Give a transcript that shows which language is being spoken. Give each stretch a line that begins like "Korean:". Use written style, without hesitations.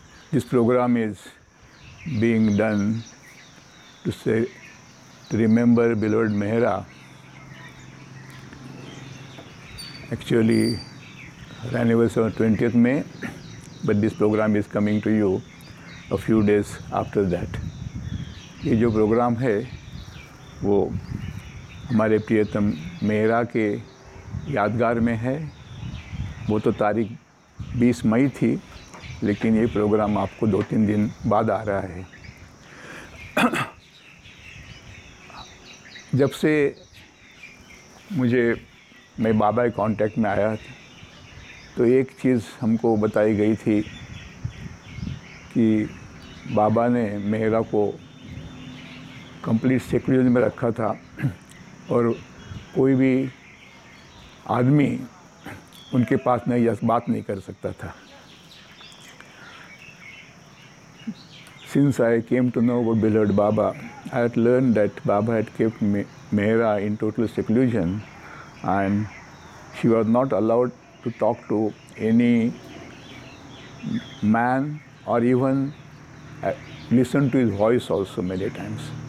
English: This program is being done to remember beloved Mehra. Actually, her anniversary was 20th May, but this program is coming to you a few days after that.
Hindi: ये जो program है वो हमारे प्रियतम मेहरा के यादगार में है. वो तो तारीख 20 मई थी, लेकिन ये प्रोग्राम आपको 2-3 दिन बाद आ रहा है. जब से मैं बाबा के कांटेक्ट में आया था, तो एक चीज़ हमको बताई गई थी कि बाबा ने मेहरा को कंप्लीट सेक्युलरिज्म में रखा था और कोई भी आदमी उनके पास नहीं या बात नहीं कर सकता था.
English: Since I came to know about beloved Baba, I had learned that Baba had kept Mehra in total seclusion and she was not allowed to talk to any man or even listen to his voice also many times.